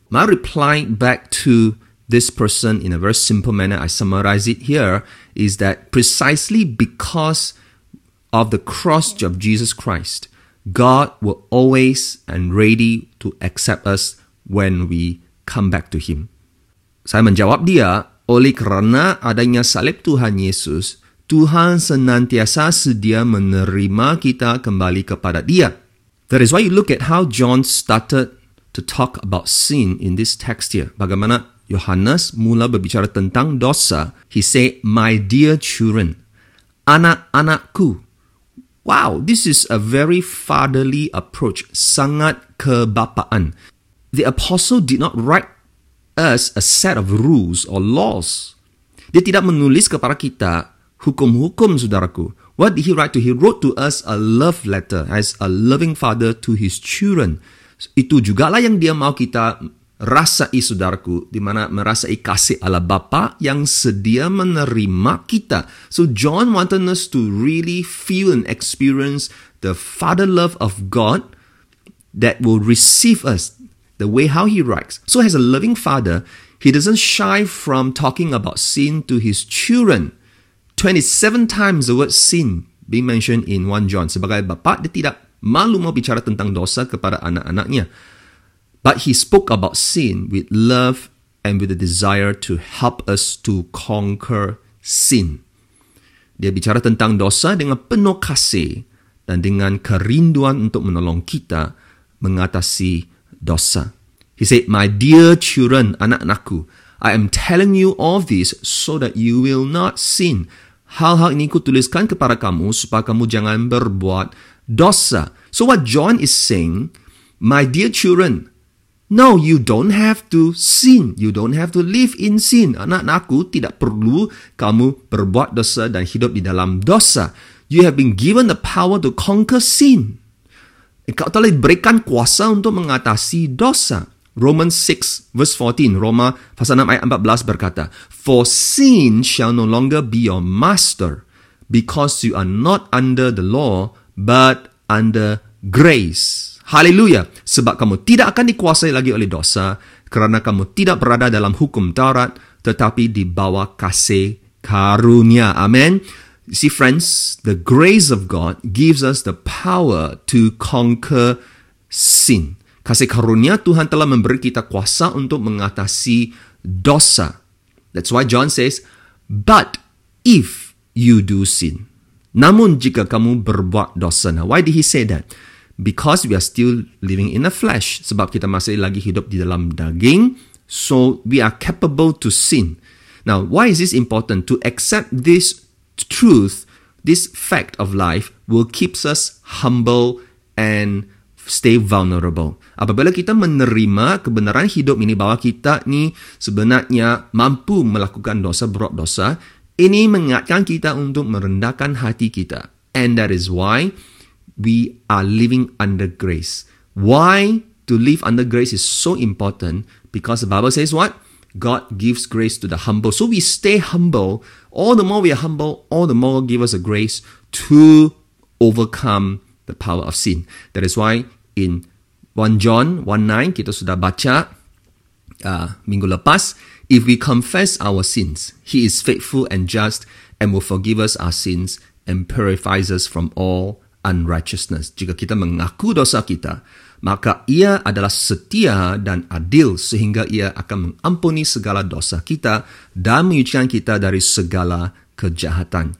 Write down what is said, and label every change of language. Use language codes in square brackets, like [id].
[en] My reply back to this person in a very simple manner, I summarize it here, is that precisely because of the cross of Jesus Christ, God will always and ready to accept us when we come back to Him. [ms] Saya menjawab dia, oleh karena adanya salib Tuhan Yesus, Tuhan senantiasa sedia menerima kita kembali kepada Dia. [en] That is why you look at how John started to talk about sin in this text here. [ms] Bagaimana Yohanes mula berbicara tentang dosa. [en] He said, my dear children, [ms] anak-anakku. [en] Wow, this is a very fatherly approach. [ms] Sangat kebapaan. [en] The apostle did not write us a set of rules or laws. [ms] Dia tidak menulis kepada kita hukum-hukum, saudaraku. [en] What did he write to? He wrote to us a love letter as a loving father to his children. [ms] Itu jugalah yang dia mau kita rasai, saudaraku, di mana merasai kasih Allah Bapa yang sedia menerima kita. [en] So John wanted us to really feel and experience the father love of God that will receive us the way how he writes. So as a loving father, he doesn't shy from talking about sin to his children. 27 times the word sin being mentioned in 1 John. [ms] Sebagai bapa, dia tidak malu mau bicara tentang dosa kepada anak-anaknya. [en] But he spoke about sin with love and with a desire to help us to conquer sin. [ms] Dia bicara tentang dosa dengan penuh kasih dan dengan kerinduan untuk menolong kita mengatasi dosa. [en] He said, my dear children, [ms] anak-anakku, [en] I am telling you all this so that you will not sin. [ms] Hal-hal ini kutuliskan kepada kamu supaya kamu jangan berbuat dosa. [en] So what John is saying, my dear children, No, you don't have to sin. You don't have to live in sin. [ms] Anak-anakku, tidak perlu kamu berbuat dosa dan hidup di dalam dosa. [en] You have been given the power to conquer sin. [ms] Engkau telah diberikan kuasa untuk mengatasi dosa. [en] Romans 6 verse 14, [ms] Roma pasal 6 ayat 14 berkata, [en] "For sin shall no longer be your master, because you are not under the law, but under grace." [ms] Haleluya, sebab kamu tidak akan dikuasai lagi oleh dosa, kerana kamu tidak berada dalam hukum Taurat, tetapi di bawah kasih karunia. [en] Amen. See friends, the grace of God gives us the power to conquer sin. [ms] Kasih karunia Tuhan telah memberi kita kuasa untuk mengatasi dosa. [en] That's why John says, "But if you do sin." [ms] Namun jika kamu berbuat dosa. [en] Now, why did he say that? Because we are still living in the flesh. [ms] Sebab kita masih lagi hidup di dalam daging. [en] So we are capable to sin. Now, why is this important? To accept this truth, this fact of life, will keep us humble and stay vulnerable. [ms] Apabila kita menerima kebenaran hidup ini, bahwa kita ni sebenarnya mampu melakukan dosa, berbuat dosa, ini mengingatkan kita untuk merendahkan hati kita. [en] And that is why we are living under grace. Why to live under grace is so important? Because the Bible says what? God gives grace to the humble. So we stay humble. All the more we are humble, all the more give us a grace to overcome the power of sin. That is why in 1 John 1:9, [ms] kita sudah baca minggu lepas, [en] "If we confess our sins, he is faithful and just and will forgive us our sins and purifies us from all unrighteousness." [ms] Jika kita mengaku dosa kita, maka ia adalah setia dan adil sehingga ia akan mengampuni segala dosa kita dan menyucikan kita dari segala kejahatan.